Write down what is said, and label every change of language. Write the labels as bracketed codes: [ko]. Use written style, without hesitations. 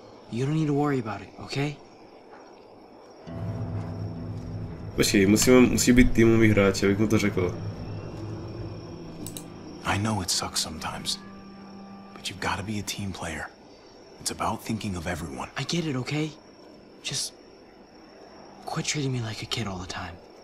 [en] You don't need to worry about it, okay? [cs] Počkej, musí být týmový hráč, abych mu to řekl. [en] I know it sucks sometimes. But you've got to be a team player. It's about thinking of everyone. I get it, okay? Just... quit treating me like a kid all the time.